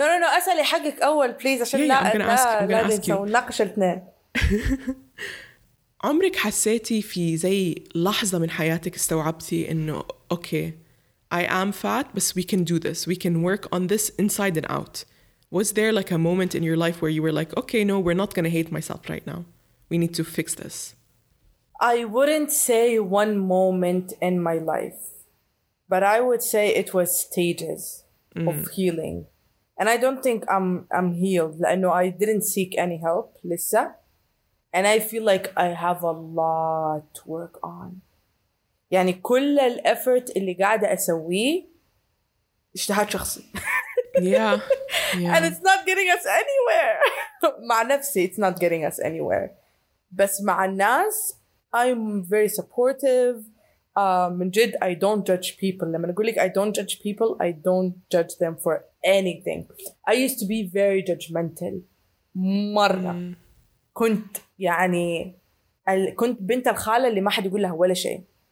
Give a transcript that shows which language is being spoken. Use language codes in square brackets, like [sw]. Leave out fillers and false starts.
[ar] أسألي حقك أول [en] please [ar] عشان [en] I'm gonna ask you. [ar] نناقش الاثنين. عمرك حسيتي في زي لحظة من حياتك استوعبتي إنه أوكي [en] okay, I am fat [ar] بس [en] we can do this, we can work on this inside and out. Was there like a moment in your life where you were like, okay, no, we're not going to hate myself right now. We need to fix this. I wouldn't say one moment in my life, but I would say it was stages of healing. And I don't think I'm healed. [ar] لأنه [en] I didn't seek any help [ar] لسه. [en] And I feel like I have a lot to work on. [ar] يعني كل الأفورت اللي قاعدة أسويه اجتهاد شخصي. [en] Yeah. And it's not getting us anywhere. [ar] مع نفسي [en] it's not getting us anywhere. [ar] بس مع الناس [en] I'm very supportive. [ar] من جد [en] I don't judge people. [ar] لما أقول لك [en] I don't judge people, I don't judge them for anything. I used to be very judgmental. [ar] مرة. كنت يعني كنت بنت الخالة اللي ما حد يقول لها ولا شيء.